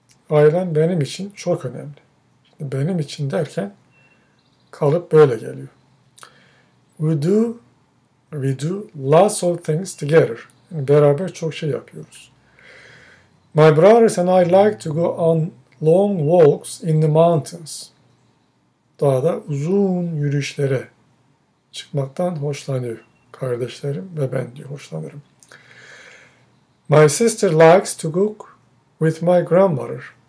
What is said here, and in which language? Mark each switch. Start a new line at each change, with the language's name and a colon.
Turkish: Ailem benim için çok önemli. Şimdi benim için derken kalıp böyle geliyor.
English: We do lots of things together.
Turkish: Yani beraber çok şey yapıyoruz.
English: My brothers and I like to go on long walks in the mountains.
Turkish: Dağda uzun yürüyüşlere çıkmaktan hoşlanıyor kardeşlerim ve ben diyor hoşlanırım.
English: My sister likes to cook with my grandmother.